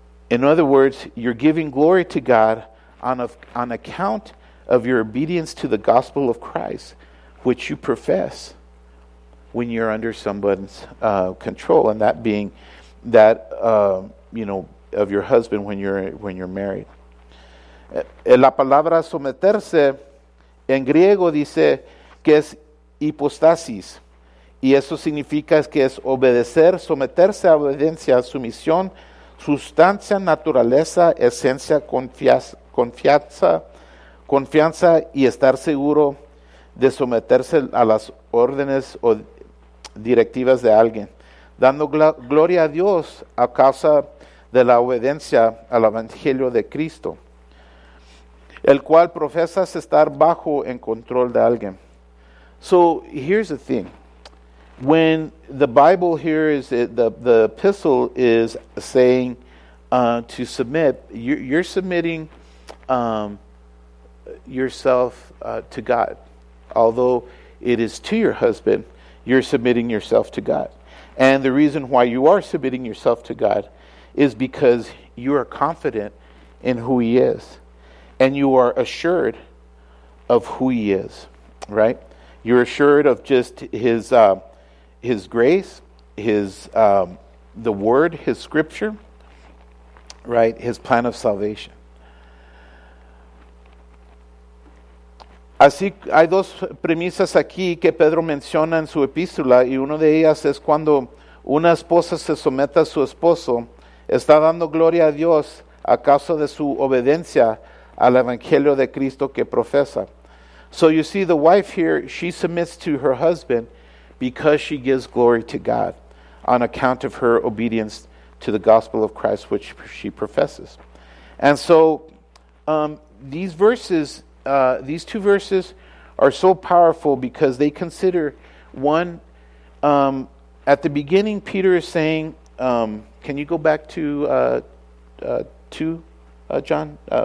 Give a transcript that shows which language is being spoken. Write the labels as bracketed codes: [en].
[en] In other words, you're giving glory to God on account of your obedience to the gospel of Christ, which you profess when you're under someone's control, and that being that of your husband when you're married. [es] La palabra someterse en griego dice que es hipostasis, y eso significa que es obedecer, someterse a obediencia, sumisión, sustancia, naturaleza, esencia, confianza, y estar seguro de someterse a las órdenes o directivas de alguien, dando gloria a Dios a causa de la obediencia al Evangelio de Cristo, el cual profesas estar bajo en control de alguien. [en] So here's the thing. When the Bible here is the epistle is saying to submit, you're submitting yourself to God. Although it is to your husband, you're submitting yourself to God. And the reason why you are submitting yourself to God is because you are confident in who He is. And you are assured of who He is, right? You're assured of just His grace, the Word, His Scripture, right? His plan of salvation. [es] Así, hay dos premisas aquí que Pedro menciona en su epístola, y una de ellas es cuando una esposa se somete a su esposo, está dando gloria a Dios a causa de su obediencia al Evangelio de Cristo que profesa. [en] So you see, the wife here, she submits to her husband because she gives glory to God on account of her obedience to the gospel of Christ, which she professes. And so these verses, these two verses are so powerful because they consider one, at the beginning, Peter is saying, can you go back to 2, John?